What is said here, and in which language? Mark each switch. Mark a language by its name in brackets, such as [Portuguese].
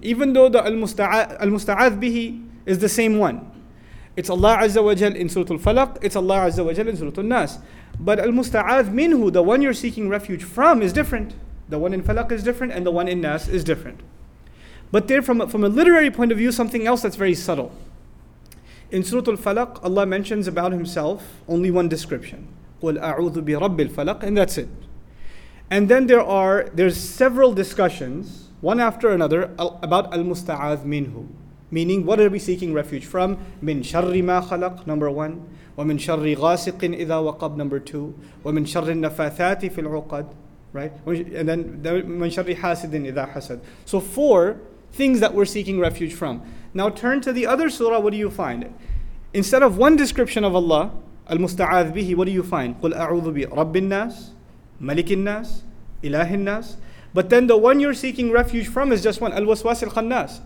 [English] Even though the Al-Musta'adh Bihi is the same one, it's Allah Azza wa Jal in Surah Al-Falaq, it's Allah Azza wa Jal in Surah Al-Nas. But Al-Musta'adh Minhu, the one you're seeking refuge from, is different. The one in Falaq is different, and the one in Nas is different. But there, from a literary point of view, something else that's very subtle. In Surah Al-Falaq, Allah mentions about Himself only one description. [Arabic] قُلْ أَعُوذُ بِرَبِّ الْفَلَقِ, [English] and that's it. And then there's several discussions, one after another, about Al-Musta'adh Minhu. Meaning, what are we seeking refuge from? [Arabic] مِن شَرِّ مَا خَلَقْ, [English] number one. [Arabic] وَمِن شَرِّ غَاسِقٍ إِذَا وَقَبْ, [English] number two. [Arabic] وَمِن شَرِّ النَّفَاثَاتِ فِي الْعُقَدْ, [English] right? And then, [Arabic] مِن شَرِّ حَاسِدٍ إِذَا حَسَدْ. [English] So four things that we're seeking refuge from. Now turn to the other surah, what do you find? Instead of one description of Allah, al-musta'adh bihi, what do you find? [Arabic] قُلْ أَعُوذُ بِرَبِّ النَّاسِ, مَلِكِ النَّاسِ, إِلَهِ النَّاسِ. [English] But then the one you're seeking refuge from is just one, al-waswas al-khannas.